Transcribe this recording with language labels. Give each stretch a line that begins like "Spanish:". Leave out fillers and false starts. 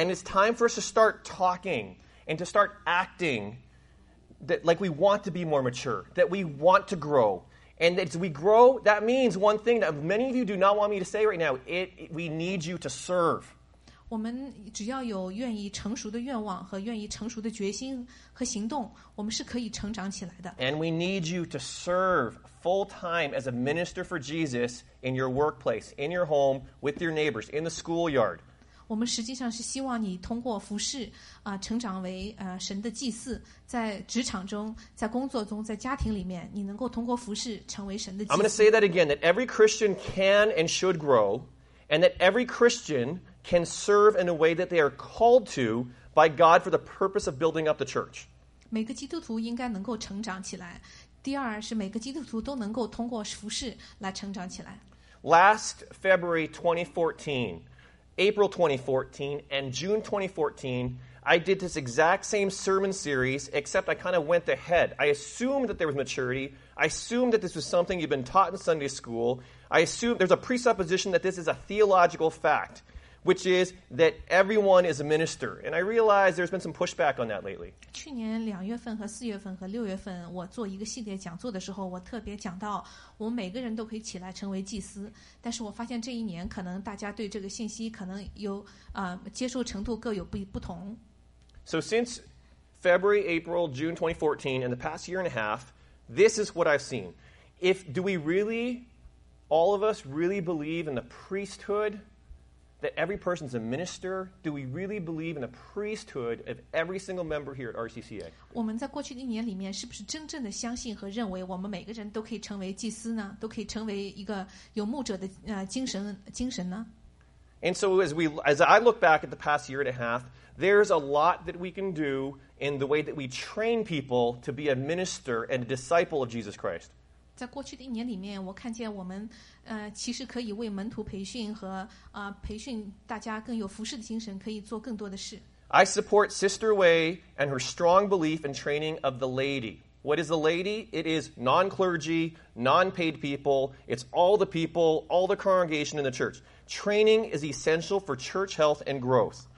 English: And it's time for us to start talking and to start acting that like we want to be more mature, that we want to grow. And as we grow, that means one thing that many of you do not want me to say right now. We need you to serve.
Chinese: 我们只要有愿意成熟的愿望和愿意成熟的决心和行动，我们是可以成长起来的。
English: And we need you to serve full time as a minister for Jesus in your workplace, in your home, with your neighbors, in the schoolyard.
Chinese: 我们实际上是希望你通过服事成长为神的祭祀，在职场中，在工作中，在家庭里面，你能够通过服事成为神的祭祀。
English: I'm going to say that again, that every Christian can and should grow, and that every Christian can serve in a way that they are called to by God for the purpose of building up the church.
Chinese: 每个基督徒应该能够成长起来。第二是每个基督徒都能够通过服事来成长起来。
English: Last February 2014, April 2014, and June 2014,I did this exact same sermon series, except I kind of went ahead. I assumed that there was maturity. I assumed that this was something you've been taught in Sunday school. I assumed there's a presupposition that this is a theological fact, which is that everyone is a minister. And I realized there's been some pushback on that lately.
Chinese: 去年两月份和四月份和六月份，我做一个系列讲座的时候，我特别讲到我们每个人都可以起来成为祭司。但是我发现这一年可能大家对这个信息可能有接受程度各有不同。
English: So since February, April, June 2014, and the past year and a half, this is what I've seen. Do we really, all of us really believe in the priesthood, that every person's a minister? Do we really believe in the priesthood of every single member here at RCCA?
Chinese: 我们在过去的一年里面是不是真正的相信和认为我们每个人都可以成为祭司呢？都可以成为一个有牧者的精神呢？
English: And so as I look back at the past year and a half,There's a lot that we can do in the way that we train people to be a minister and a disciple of Jesus Christ.
Chinese: 在过去的一年里面，我看见我们其实可以为门徒培训和培训大家更有服事的精神，可以做更多的事。
English: I support Sister Wei and her strong belief in training of the laity. What is the laity? It is non-clergy, non-paid people. It's all the people, all the congregation in the church. Training is essential for church health and growth.